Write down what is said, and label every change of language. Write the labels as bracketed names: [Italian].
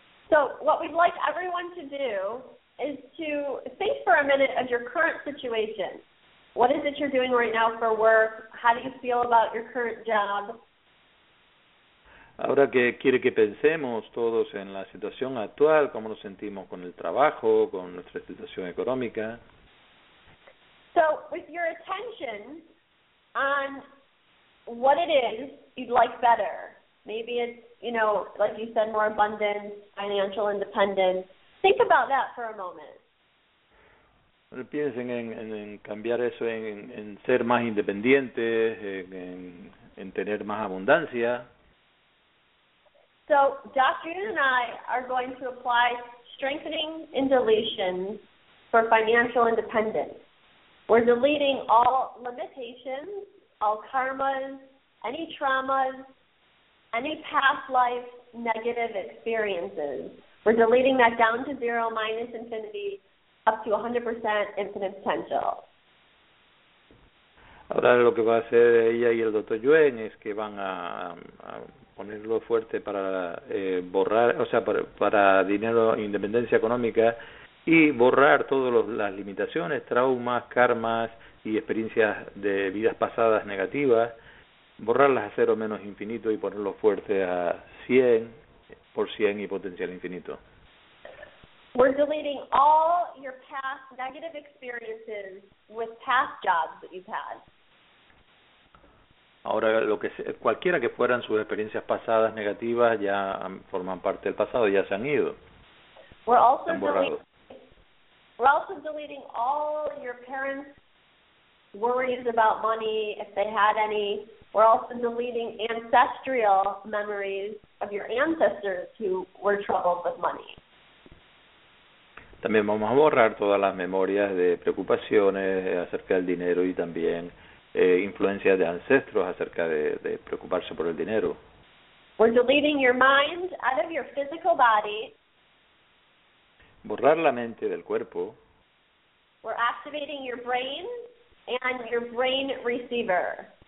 [English] So what we'd like everyone to do is to think for a minute of your current situation. What is it you're doing right now for work? How do you feel about your current job? [Spanish] Ahora que quiere que pensemos todos en la situación actual, cómo nos sentimos con el trabajo, con nuestra situación económica. [English] So, with your attention on what it is you'd like better, maybe it's, you know, like you said, more abundance, financial independence. Think about that for a moment. [Spanish] Piensen en cambiar eso, en ser más independientes, en tener más abundancia. [English] So, Josh June and I are going to apply strengthening and deletion for financial independence. We're deleting all limitations, all karmas, any traumas, any past life negative experiences. We're deleting that down to zero, minus infinity, up to 100% infinite potential. [Spanish] Ahora lo que va a hacer ella y el Dr. Yuen es que van a ponerlo fuerte para borrar, o sea, para dinero, independencia económica y borrar todas las limitaciones, traumas, karmas y experiencias de vidas pasadas negativas, borrarlas a cero menos infinito y ponerlo fuerte a 100% y potencial infinito. [English] We're deleting all your past negative experiences with past jobs that you've had. [Spanish] Ahora, cualquiera que fueran sus experiencias pasadas negativas ya forman parte del pasado, ya se han ido. [English] We're also deleting all your parents' worries about money, if they had any. We're also deleting ancestral memories of your ancestors who were troubled with money. [Spanish] También vamos a borrar todas las memorias de preocupaciones acerca del dinero y también influencia de ancestros acerca de preocuparse por el dinero. [English] We're deleting your mind out of your physical body. [Spanish] Borrar la mente del cuerpo. [English] We're activating your brain and your brain receiver.